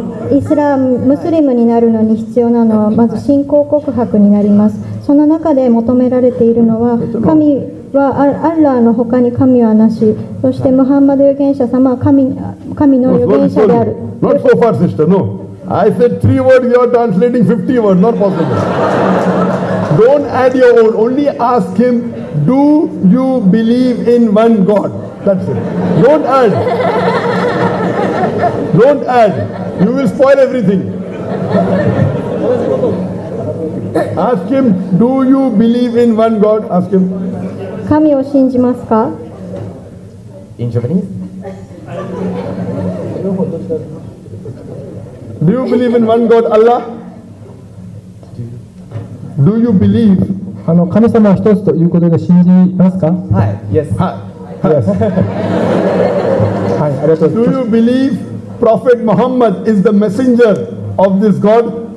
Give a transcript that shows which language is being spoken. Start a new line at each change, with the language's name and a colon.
Japanese: イスラム、ムスリムになるのに必要なのはまず信仰告白になります。その中で求められているのは、神はアッラーの他に神はなし、そしてムハンマド預言者様は 神の預言者である。
English: Not so far, sister, no. I said three words, you are translating 50 words, not possible. Don't add your own, only ask him, do you believe in one God? That's it. Don't add. You will spoil everything. Ask him, do you believe in one God? Ask him.
Japanese: 神を信じますか?
English: In Japanese? Do you believe in one God, Allah? Do you believe?
Japanese: 神様は一つということで信じますか?
English: Hi, yes. Hi. Yes. Do you believe Prophet Muhammad is the messenger of this God?